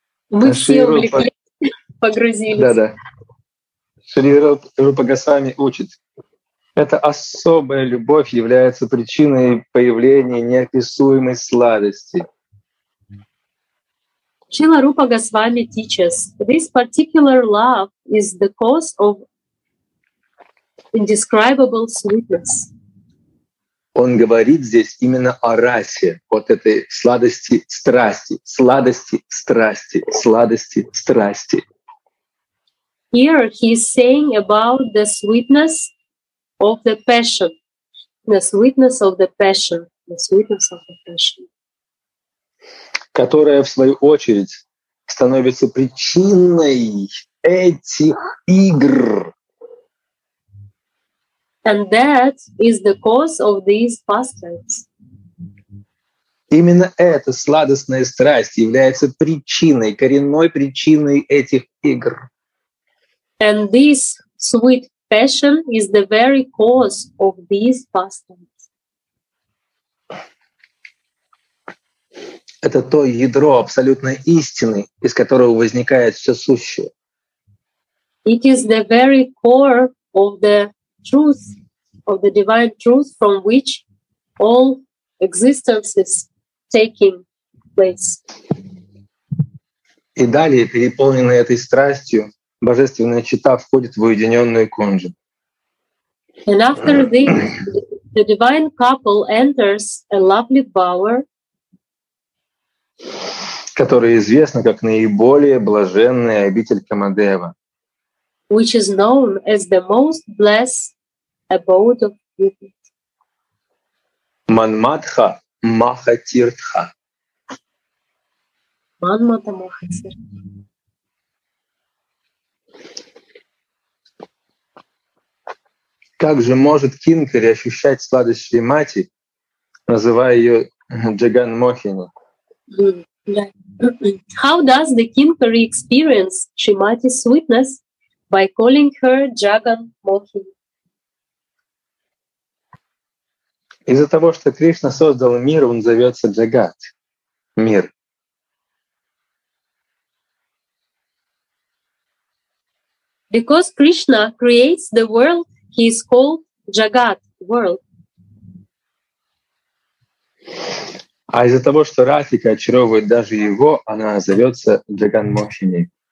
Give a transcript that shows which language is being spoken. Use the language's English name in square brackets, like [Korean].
[Russian] Мы все увлеклись, погрузились. Да-да. Шри Рупа Госвами учит. Эта особая любовь является причиной появления неописуемой сладости. [English] Шрила Рупа Госвами teaches. This particular love is the cause of indescribable sweetness. [Russian] Он говорит здесь именно о расе, вот этой сладости страсти, сладости страсти, сладости страсти. [English] Here he is saying about the sweetness of the passion, the sweetness of the passion, the sweetness of the passion. [Russian] Которая, в свою очередь, становится причиной этих игр. [English] And that is the cause of these pastimes. [Russian] Именно эта сладостная страсть является причиной, коренной причиной этих игр. [English] And this sweet passion is the very cause of these pastimes. [Russian] Это то ядро абсолютной истины, из которого возникает все сущее. [English] It is the very core of the truth, of the divine truth from which all existence is taking place. [Russian] И далее, переполненный этой страстью, Божественная чита входит в уединённую кунджу. [English] And after this, the divine couple enters a lovely bower, [Russian] которая известна как наиболее блаженная обитель Камадева. [English] Which is known as the most blessed abode of Jupiter. [Russian] Манматха Махатиртха. Манмата Махатиртха. Как же может Кинкари ощущать сладость Шримати, называя ее Джаган Мохини. [English] How does the Kinkari experience Shrimati's sweetness by calling her Jagan Mohini? [Russian] Из-за того, что Кришна создал мир, он зовется Джагат, мир. [English] Because Krishna creates the world, he is called Jagat, world. [Russian] А из-за того, что Радхика очаровывает даже его, она зовется Джаган Мохини.